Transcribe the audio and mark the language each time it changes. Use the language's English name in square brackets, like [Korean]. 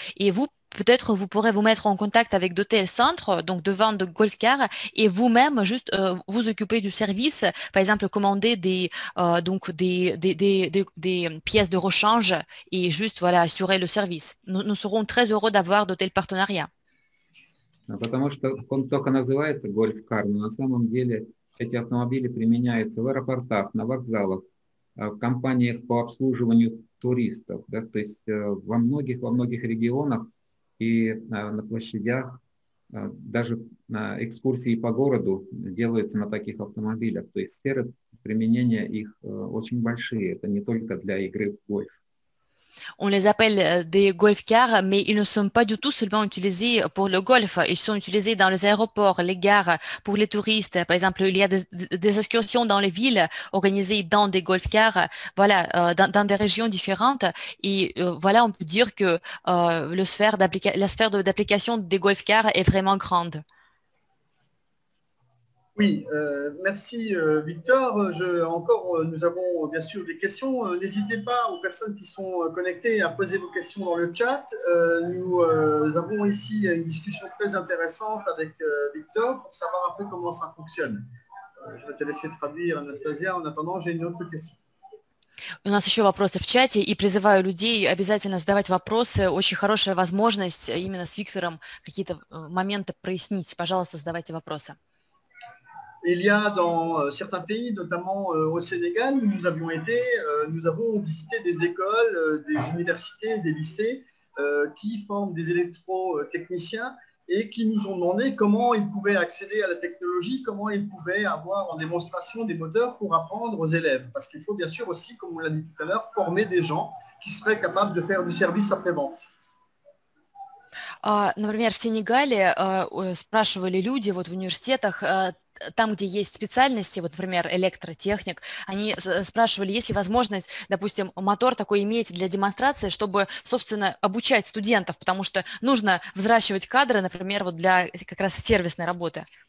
[French] Et vous, peut-être, vous pourrez vous mettre en contact avec de tels centres donc de vente de golf-cars et vous-même juste vous occuper du service, par exemple, commander des pièces de rechange et juste voilà, assurer le service. Nous serons très heureux d'avoir de tels partenariats. [Russian] Потому что он только называется гольф-кар, но на самом деле эти автомобили применяются в аэропортах, на вокзалах, в компаниях по обслуживанию туристов. Да? То есть во многих регионах и на площадях даже экскурсии по городу делаются на таких автомобилях. То есть сферы применения их очень большие, это не только для игры в гольф. [French] On les appelle des golf-cars, mais ils ne sont pas du tout seulement utilisés pour le golf. Ils sont utilisés dans les aéroports, les gares, pour les touristes. Par exemple, il y a des excursions dans les villes organisées dans des golf-cars, voilà, dans des régions différentes. Et voilà, on peut dire que la sphère d'application des golf-cars est vraiment grande. Oui, merci Victor. Nous avons bien sûr des questions. N'hésitez pas aux personnes qui sont connectées à poser vos questions dans le chat. Nous avons ici une discussion très intéressante avec Victor pour savoir un peu comment ça fonctionne. Je vais te laisser traduire Anastasia. En attendant, j'ai une autre question. [Russian] У нас еще вопросы в чате, и призываю людей обязательно задавать вопросы. Очень хорошая возможность именно с Виктором какие-то моменты прояснить. Пожалуйста, задавайте вопросы. [French] Il y a dans certains pays, notamment au Sénégal, où nous avions été, nous avons visité des écoles, des universités, des lycées qui forment des électrotechniciens et qui nous ont demandé comment ils pouvaient accéder à la technologie, comment ils pouvaient avoir en démonstration des moteurs pour apprendre aux élèves. Parce qu'il faut bien sûr aussi, comme on l'a dit tout à l'heure, former des gens qui seraient capables de faire du service après-vente. [Russian] Например, в Сенегале спрашивали люди вот в университетах, там, где есть специальности, вот, например, электротехник, они спрашивали, есть ли возможность, допустим, мотор такой иметь для демонстрации, чтобы, собственно, обучать студентов, потому что нужно взращивать кадры, например, вот для как раз сервисной работы.